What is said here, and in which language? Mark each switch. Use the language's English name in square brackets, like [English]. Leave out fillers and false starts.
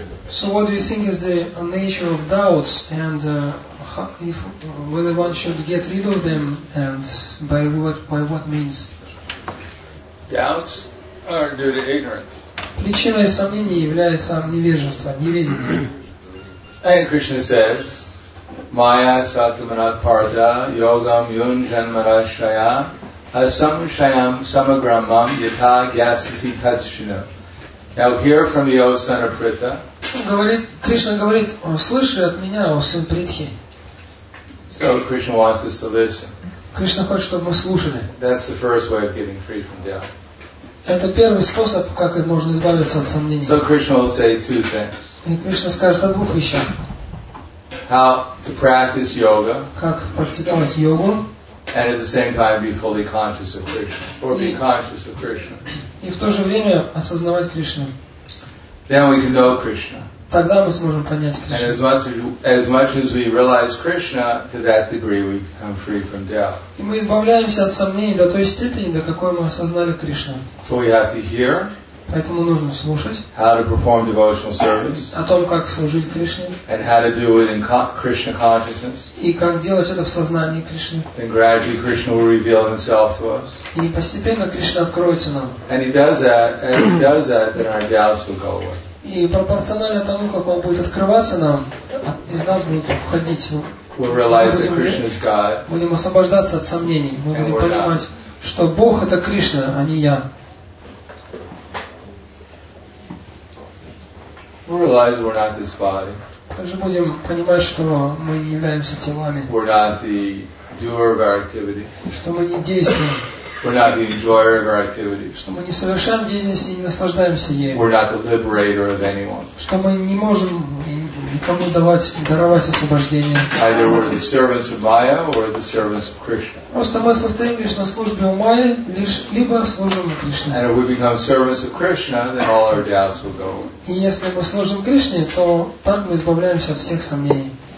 [English] So what do you think is the nature of doubts and if whether one should get rid of them and by what means? Doubts are due to ignorance. [Russian] Причиной сомнений является невежество, неведение. [English] And Krishna says, [Sanskrit] Maya Satamanat Parda Yogam Yun Janmarashaya Asam Shayam Samagramam Yata Gyasisi Tatshina. [English] Now hear from you, O son of Pritha. [Russian] Кришна говорит, слыши от меня, о сын Притхи. [English] So Krishna wants us to listen. [Russian] Кришна хочет, чтобы мы слушали. [English] That's the first way of getting free from doubt. [Russian] Это первый способ, как можно избавиться от сомнений. [English] So Krishna will say two things. [Russian] И Кришна скажет о двух вещах. [English] How to practice yoga. [Russian] Как практиковать йогу. [English] And at the same time be fully conscious of Krishna. Or be conscious of Krishna. [Russian] И в то же время осознавать Кришну. [English] Then we can know Krishna. [Russian] Тогда мы сможем понять Кришну. [English] And as much as we realize Krishna, to that degree we become free from doubt. [Russian] И мы избавляемся от сомнений до той степени, до какой мы осознали Кришну. [English] So we have to hear. [Russian] Поэтому нужно слушать. [English] How to perform devotional service. [Russian] О том, как служить Кришне. [English] And how to do it in Krishna consciousness. [Russian] И как делать это в сознании Кришны. [English] And gradually Krishna will reveal himself to us. [Russian] И постепенно Кришна откроется нам. [English] And he does that, then our doubts will go away. [Russian] И пропорционально тому, как он будет открываться нам, из нас будут уходить. [English] We'll realize that Krishna is God. [Russian] Будем освобождаться от сомнений. Мы будем понимать, что Бог это Кришна, а не я. [English] We realize we're not this body. [Russian] Также будем понимать, что мы не являемся телами. [English] We're not the doer of our activity. [Russian] Что мы не действуем. [English] We're not the enjoyer of our activity. [Russian] Что мы не совершаем деятельности и не наслаждаемся ею. [English] We're not the liberator of anyone. [Russian] Что мы не можем никому даровать освобождение. [English] Either we're the servants of Maya or the servants of Krishna. [Russian] Просто мы состоим лишь на службе у Майи, либо служим Кришне. [English] And if we become servants of Krishna, then all our doubts will go. [Russian] И если мы служим Кришне, то так мы избавляемся от всех сомнений.